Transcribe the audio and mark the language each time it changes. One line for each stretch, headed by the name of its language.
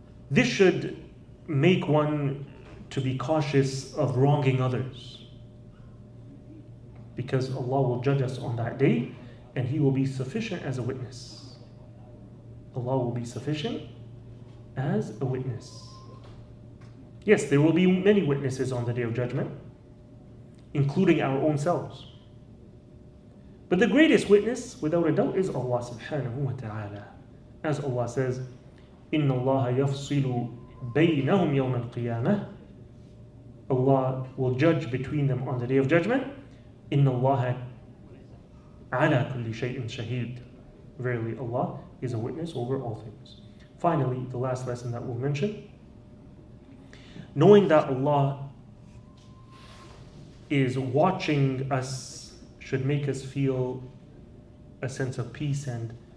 English: This should make one to be cautious of wronging others, because Allah will judge us on that day and He will be sufficient as a witness. Allah will be sufficient as a witness. Yes, there will be many witnesses on the Day of Judgment, including our own selves. But the greatest witness, without a doubt, is Allah subhanahu wa ta'ala. As Allah says,
Arabic: إِنَّ اللَّهَ يَفْصِلُ بَيْنَهُمْ يَوْمَ الْقِيَامَةِ.
English: Allah will judge between them on the Day of Judgment.
Arabic: إِنَّ اللَّهَ عَلَى كُلِّ شَيْءٍ شَهِيدٍ.
English: Verily, Allah is a witness over all things. Finally, the last lesson that we'll mention, knowing that Allah is watching us should make us feel a sense of peace and